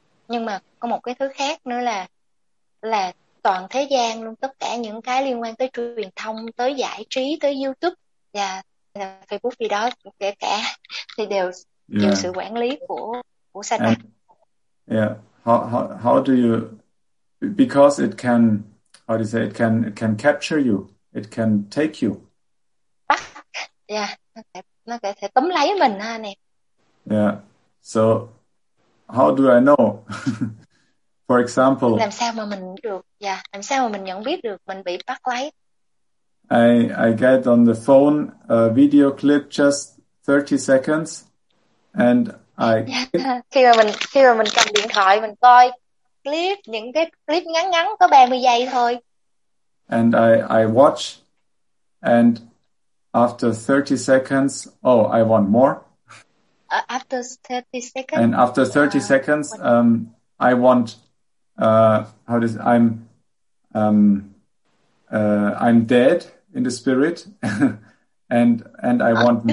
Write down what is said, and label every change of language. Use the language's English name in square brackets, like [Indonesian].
[Vietnamese] Nhưng mà có một cái thứ khác nữa là toàn thế gian luôn, tất cả những cái liên quan tới truyền thông, tới giải trí, tới YouTube và Facebook gì đó kể cả thì đều chịu sự quản lý của Satan. [English] Yeah, how do you, because it can, how do you say, it can capture you, it can take you. [Vietnamese] Bắt, yeah, nó có thể tóm lấy mình ha nè. [English] Yeah, so how do I know? For example, [Vietnamese] làm sao mà mình được, yeah, làm sao mà mình nhận biết được mình bị bắt lấy? [English] I get on the phone a video clip just 30 seconds and I [Vietnamese] khi mà mình cầm điện thoại mình coi clip, những cái clip ngắn ngắn có 30 giây thôi. [English] And I watch and after 30 seconds, oh, I want more. After 30 seconds? And after 30 seconds, I want, I'm dead in the spirit and I want.